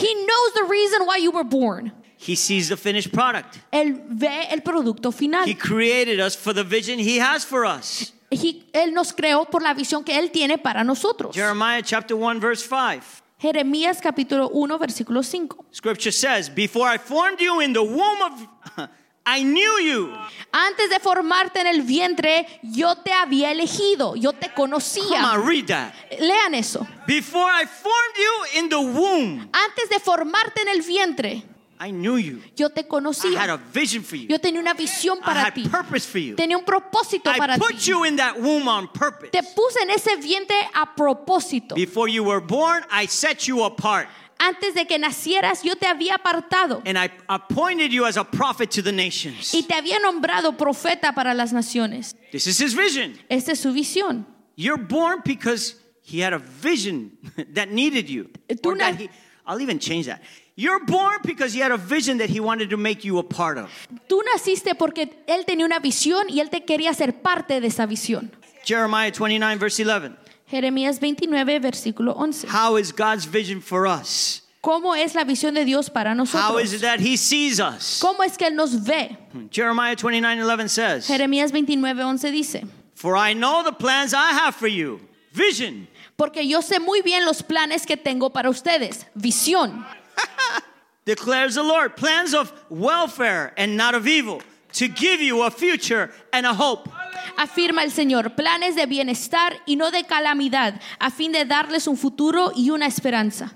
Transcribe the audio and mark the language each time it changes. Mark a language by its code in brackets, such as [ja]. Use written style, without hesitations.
[en] He knows the reason why you were born. He sees the finished product. [es] Él ve el producto final. [en] He created us for the vision he has for us. [es] Él nos creó por la visión que él tiene para nosotros. [en] Jeremiah chapter 1 verse 5. [es] Jeremías capítulo 1 versículo 5. [en] Scripture says, before I formed you in the womb of I knew you. [es] Antes de formarte en el vientre, yo te había elegido, yo te conocía. [en] Come on, read that. [es] Lean eso. [en] Before I formed you in the womb. [es] Antes de formarte en el vientre, [en] I knew you. [es] Yo te conocía. [en] I had a vision for you. [es] Yo tenía una visión para ti. [en] I had a purpose for you. [es] Tenía un propósito para ti. [en] I put you in that womb on purpose. [es] Te puse en ese vientre a propósito. [en] Before you were born, I set you apart. [es] Antes de que nacieras, yo te había apartado. [en] And I appointed you as a prophet to the nations. [es] Y te había nombrado profeta para las naciones. [en] This is his vision. [es] Esta es su visión. [en] You're born because he had a vision that needed you. I'll even change that. You're born because he had a vision that he wanted to make you a part of. [es] Tú naciste porque él tenía una visión y él te quería hacer parte de esa visión. [en] Jeremiah 29 verse 11. [es] Jeremías 29 versículo 11. [en] How is God's vision for us? [es] ¿Cómo es la visión de Dios para nosotros? [en] How is it that he sees us? [es] ¿Cómo es que él nos ve? [en] Jeremiah 29 11 says. [es] Jeremías 29 11 dice. [en] For I know the plans I have for you. Vision. [es] Porque yo sé muy bien los planes que tengo para ustedes. Visión. [en] Declares the Lord, plans of welfare and not of evil, to give you a future and a hope. [es] Afirma el Señor, planes de bienestar y no de calamidad, a fin de darles un futuro y una esperanza.